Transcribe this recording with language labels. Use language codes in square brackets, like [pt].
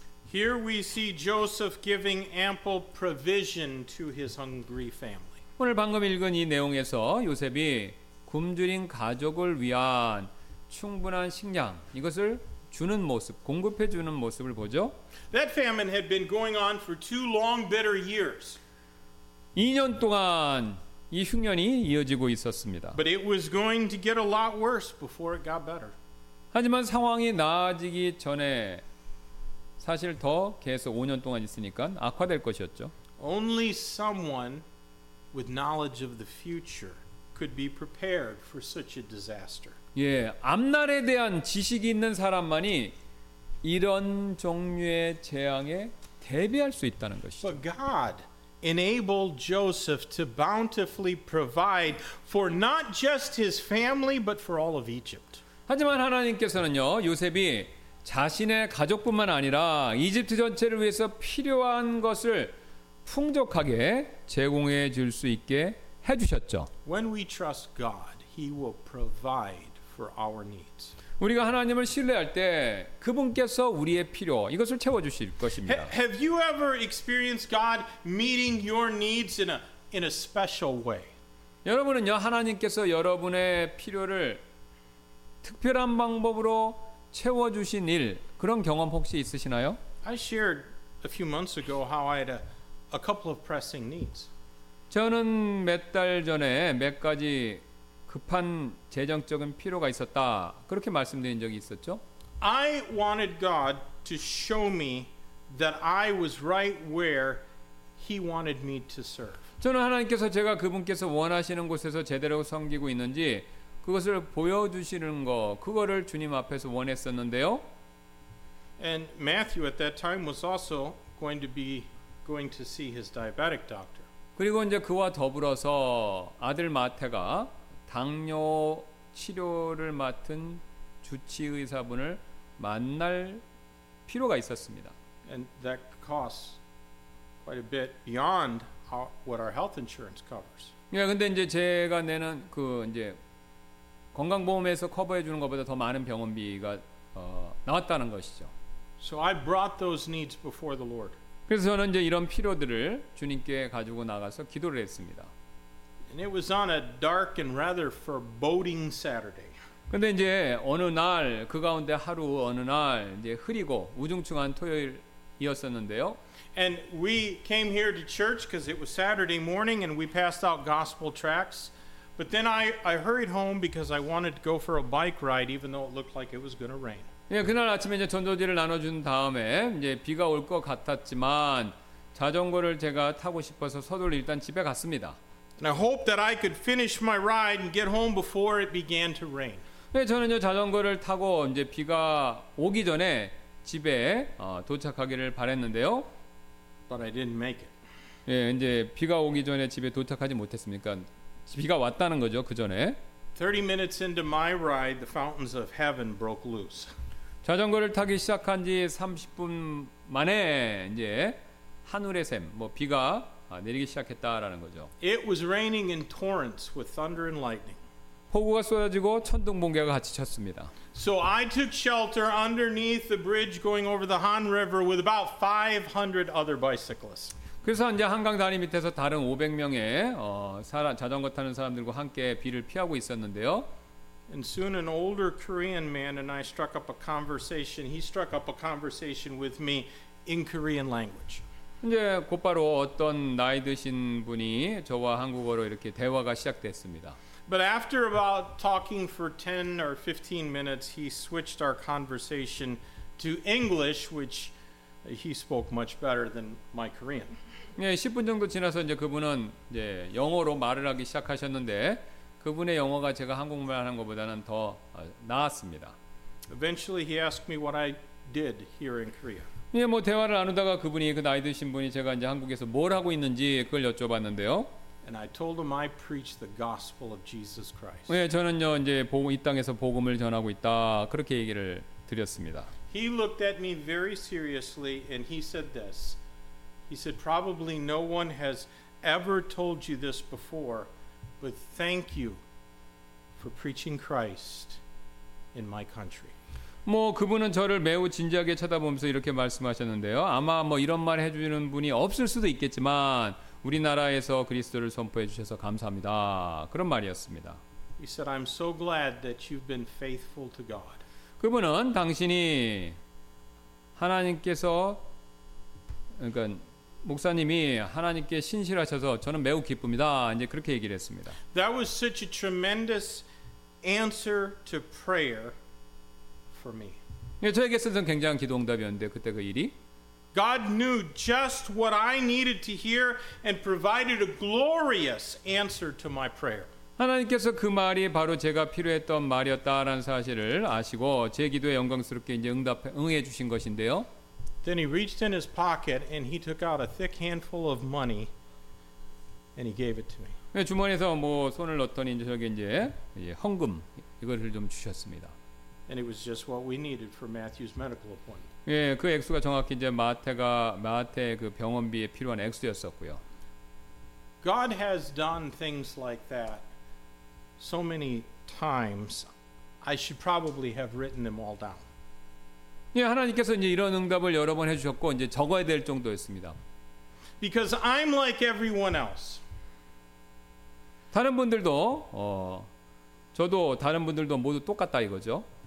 [en] Here we see Joseph giving ample provision to his hungry family. [ko] 오늘 방금 읽은 이 내용에서 요셉이 굶주린 가족을 위한 충분한 식량 이것을 주는 모습, 공급해 주는 모습을 보죠. [en] That famine had been going on for two long bitter years. [ko] 2년 동안 이 흉년이 이어지고 있었습니다. [en] But it was going to get a lot worse before it got better. [ko] 하지만 상황이 나아지기 전에 사실 더 계속 5년 동안 있으니까 악화될 것이었죠. [en] Only someone with knowledge of the future could be prepared for such a disaster. [ko] 예, 앞날에 대한 지식이 있는 사람만이 이런 종류의 재앙에 대비할 수 있다는 것이죠. [en] But God enabled Joseph to bountifully provide for not just his family but for all of Egypt. [ko] 하지만 하나님께서는요, 요셉이 자신의 가족뿐만 아니라 이집트 전체를 위해서 필요한 것을 풍족하게 제공해 줄 수 있게 해 주셨죠. [en] When we trust God, he will provide. For our needs. [ko] 우리가 하나님을 신뢰할 때 그분께서 우리의 필요 이것을 채워 주실 것입니다. [en] Have you ever experienced God meeting your needs in a special way? [ko] 여러분은요 하나님께서 여러분의 필요를 특별한 방법으로 채워 주신 일 그런 경험 혹시 있으시나요? [en] I shared a few months ago how I had a couple of pressing needs. [ko] 저는 몇 달 전에 몇 가지 급한 재정적인 필요가 있었다. 그렇게 말씀드린 적이 있었죠. [en] I wanted God to show me that I was right where he wanted me to serve. [ko] 저는 하나님께서 제가 그분께서 원하시는 곳에서 제대로 섬기고 있는지 그것을 보여 주시는 거 그거를 주님 앞에서 원했었는데요. [en] And Matthew at that time was also going to see his diabetic doctor. [ko] 그리고 이제 그와 더불어서 아들 마태가 당뇨 치료를 맡은 주치 의사분을 만날 필요가 있었습니다. [en] And that costs quite a bit beyond what our health insurance covers. [ko] 예, 근데 이제 제가 내는 그 이제 건강보험에서 커버해 주는 것보다 더 많은 병원비가 나왔다는 것이죠. [en] So I brought those needs before the Lord. [ko] 그래서 저는 이제 이런 필요들을 주님께 가지고 나가서 기도를 했습니다. [en] And it was on a dark and rather foreboding Saturday. [ko] 근데 이제 어느 날 그 가운데 하루 어느 날 이제 흐리고 우중충한 토요일이었었는데요. [en] And we came here to church because it was Saturday morning and we passed out gospel tracts. But then I hurried home because I wanted to go for a bike ride even though it looked like it was going to rain. [ko] 예, 그날 아침에 이제 전도지를 나눠 준 다음에 이제 비가 올 것 같았지만 자전거를 제가 타고 싶어서 서둘러 일단 집에 갔습니다. [en] And I hoped that I could finish my ride and get home before it began to rain. [ko] 네, 저는요 자전거를 타고 이제 비가 오기 전에 집에 도착하기를 바랬는데요. [en] But I didn't make it. [ko] 예, 이제 비가 오기 전에 집에 도착하지 못했습니까? 비가 왔다는 거죠, 그 전에. [en] 30 minutes into my ride, the fountains of heaven broke loose. [ko] 자전거를 타기 시작한 지 30분 만에 이제 하늘의 샘, 뭐 비가 내리기 시작했다라는 거죠. [en] It was raining in torrents with thunder and lightning. [ko] 폭우가 쏟아지고 천둥번개가 같이 쳤습니다. [en] So I took shelter underneath the bridge going over the Han River with about 500 other bicyclists. [ko] 그래서 이제 한강 다리 밑에서 다른 500명의 자전거 타는 사람들과 함께 비를 피하고 있었는데요. [en] And soon an older Korean man and I struck up a conversation. He struck up a conversation with me in Korean language. [ko] 이제 곧바로 어떤 나이 드신 분이 저와 한국어로 이렇게 대화가 시작됐습니다. [en] But after about talking for 10 or 15 minutes, he switched our conversation to English, which he spoke much better than my Korean. [ko] 네, 10분 정도 지나서 이제 그분은 이제 영어로 말을 하기 시작하셨는데 그분의 영어가 제가 한국말 하는 것보다는 더 나았습니다. [en] Eventually, he asked me what I did here in Korea. [ko] 네, 뭐 대화를 나누다가 그분이 그 나이 드신 분이 제가 이제 한국에서 뭘 하고 있는지 그걸 여쭤봤는데요. [en] And I told him I preach the gospel of Jesus Christ. [ko] 네, 저는요 이제 이 땅에서 복음을 전하고 있다 그렇게 얘기를 드렸습니다. [en] He looked at me very seriously and he said this. He said, probably no one has ever told you this before, but thank you for preaching Christ in my country. [ko] 뭐 그분은 저를 매우 진지하게 쳐다보면서 이렇게 말씀하셨는데요. 아마 뭐 이런 말 해주는 분이 없을 수도 있겠지만 우리나라에서 그리스도를 선포해 주셔서 감사합니다. 그런 말이었습니다. [en] He said, I'm so glad that you've been faithful to God. [ko] 그분은 당신이 하나님께서 그러니까 목사님이 하나님께 신실하셔서 저는 매우 기쁩니다. 이제 그렇게 얘기를 했습니다. [en] That was such a tremendous answer to prayer for me. [ko] 예, 저에게서는 굉장한 기도 응답이었는데 그때 그 일이 [en] God knew just what I needed to hear and provided a glorious answer to my prayer. [ko] 하나님께서 그 말이 바로 제가 필요했던 말이었다라는 사실을 아시고 제 기도에 영광스럽게 이제 응해 주신 것인데요. [en] Then he reached in his pocket and he took out a thick handful of money and he gave it to me. [ko] 네, 주머니에서 뭐 손을 넣더니 이제 저게 이제 헌금 이거를 좀 주셨습니다. [en] And it was just what we needed for Matthew's medical appointment. [ko] 예, 그 액수가 정확히 이제 마태 그 병원비에 필요한 액수였었고요. [en] God has done things like that so many times. I should probably have written them all down. [ko] 예, 하나님께서 이제 이런 응답을 여러 번 해주셨고 이제 적어야 될 정도였습니다. [en] Because I'm like everyone else. [ko] 다른 분들도 저도 다른 분들도 모두 똑같다 이거죠.